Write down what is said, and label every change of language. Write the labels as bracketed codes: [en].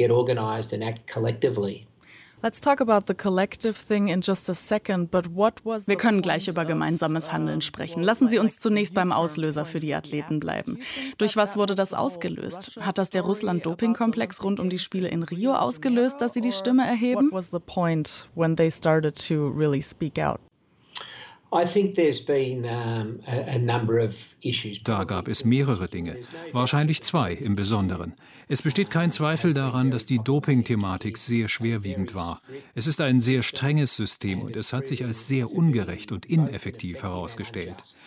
[en] Let's talk about the collective thing in just a second, but what was. [de] Wir können gleich über gemeinsames Handeln sprechen. Lassen Sie uns zunächst beim Auslöser für die Athleten bleiben. Durch was wurde das ausgelöst? Hat das der Russland-Doping-Komplex rund um die Spiele in Rio ausgelöst, dass sie die Stimme erheben? [en] What was the point when they started to really speak out? [de] Da gab es mehrere Dinge, wahrscheinlich zwei im Besonderen. Es besteht kein Zweifel daran, dass die Doping-Thematik sehr schwerwiegend war. Es ist ein sehr strenges System und es hat sich als sehr ungerecht und ineffektiv herausgestellt.